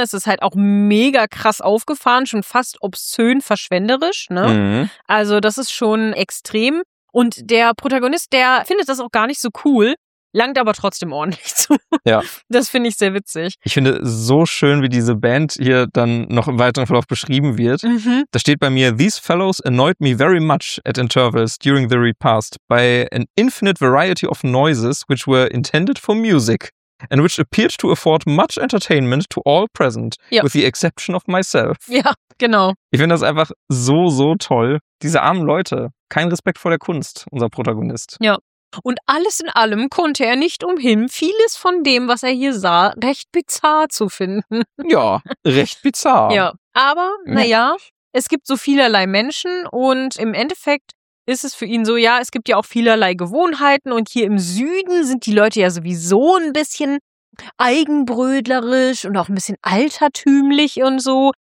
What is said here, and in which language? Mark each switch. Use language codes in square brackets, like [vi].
[de] Es ist halt auch mega krass aufgefahren, schon fast obszön verschwenderisch, ne? Mhm. Also, das ist schon extrem. Und der Protagonist, der findet das auch gar nicht so cool, langt aber trotzdem ordentlich zu. Ja. Das finde ich sehr witzig. Ich finde so schön, wie diese Band hier dann noch im weiteren Verlauf beschrieben wird. Mhm. [en] Da steht bei mir, "These fellows annoyed me very much at intervals during the repast by an infinite variety of noises which were intended for music and which appeared to afford much entertainment to all present, [de] ja, [en] with the exception of myself." [de] Ja, genau. Ich finde das einfach so, so toll. Diese armen Leute, kein Respekt vor der Kunst, unser Protagonist. Ja. Und alles in allem konnte er nicht umhin, vieles von dem, was er hier sah, recht bizarr zu finden. Ja, recht bizarr. Ja, aber naja, es gibt so vielerlei Menschen und im Endeffekt ist es für ihn so, ja, es gibt ja auch vielerlei Gewohnheiten und hier im Süden sind die Leute ja sowieso ein bisschen eigenbrödlerisch und auch ein bisschen altertümlich und so.